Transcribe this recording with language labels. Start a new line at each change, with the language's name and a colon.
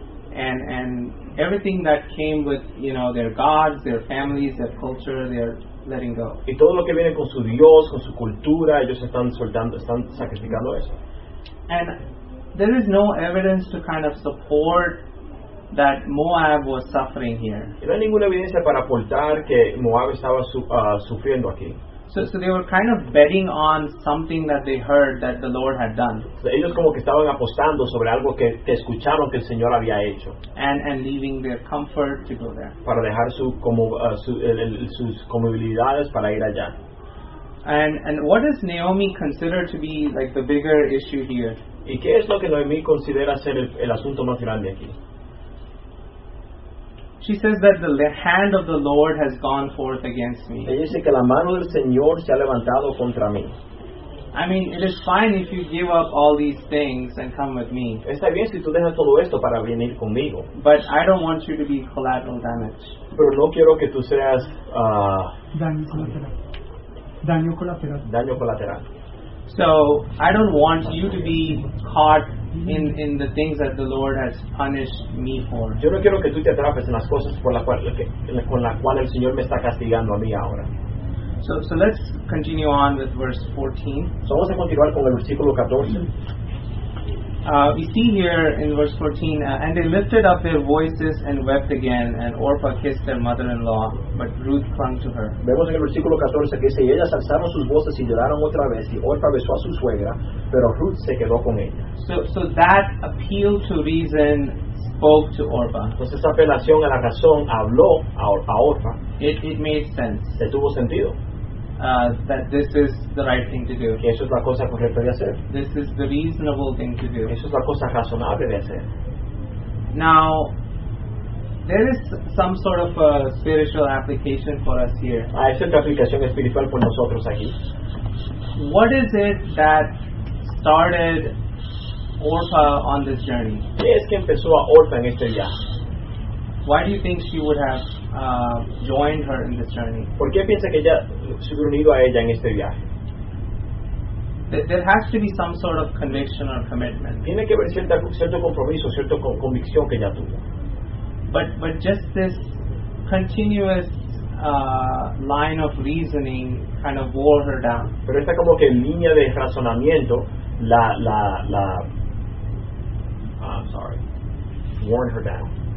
English: And everything that came with, you know, their gods, their families, their culture, they're letting go.
Spanish: Y todo lo que viene con su Dios, con su cultura, ellos están soltando, están sacrificando eso.
English: And there is no evidence to kind of support that Moab was suffering here.
Spanish: Y no hay ninguna evidencia para aportar que Moab estaba sufriendo aquí.
English: So they were kind of betting on something that they heard that the Lord had done.
Spanish: Ellos como que estaban apostando sobre algo que escucharon que el Señor había hecho.
English: And leaving their comfort to go there.
Spanish: Para dejar su como sus comodidades para ir allá.
English: And what does Naomi consider to be like the bigger issue here?
Spanish: ¿Y qué es lo que Naomi considera ser el asunto más grande aquí?
English: She says that the hand of the Lord has gone forth against me.
Spanish: Ella dice que la mano del Señor se ha levantado contra mí.
English: I mean, it is fine if you give up all these things and come with me.
Spanish: Está bien si tú dejas todo esto para venir conmigo.
English: But I don't want you to be collateral damage.
Spanish: Pero no quiero que tú seas daño colateral. Daño colateral. Daño colateral.
English: So I don't want you to be caught in the things that the Lord has punished me for.
Spanish: Yo no quiero que tú te atrapes en las cosas por la cual con la cual el Señor me está castigando a mí ahora.
English: So let's continue on with verse 14.
Spanish: So vamos a continuar con el versículo 14.
English: We see here in verse 14, and they lifted up their voices and wept again, and Orpah kissed their mother-in-law, but Ruth clung to her.
Spanish: Vemos en el versículo 14 que dice, y ellas alzaron sus voces y lloraron otra vez, y Orpah besó a su suegra, pero Ruth se quedó con ella.
English: So that appeal to reason spoke to Orpah.
Spanish: Pues esa apelación a la razón habló a Orpah.
English: It made sense.
Spanish: Tuvo sentido.
English: That this is the right thing to do.
Spanish: Que eso es la cosa correcta de hacer.
English: This is the reasonable thing to do.
Spanish: Eso es la cosa razonable de hacer.
English: Now, there is some sort of a spiritual application for us here.
Spanish: Hay cierta aplicación espiritual por nosotros aquí.
English: What is it that started Orpah on this journey?
Spanish: ¿Qué es que empezó a Orpah en este viaje?
English: Why do you think she would have joined her in this journey?
Spanish: ¿Por qué piensa que ella se hubiera unido a ella en este viaje?
English: There has to be some sort of conviction or commitment.
Spanish: Tiene que haber cierto compromiso, cierta convicción que ella tuvo.
English: But just this continuous line of reasoning kind of wore her down.
Spanish: Pero esta como que línea de razonamiento la
English: worn her down.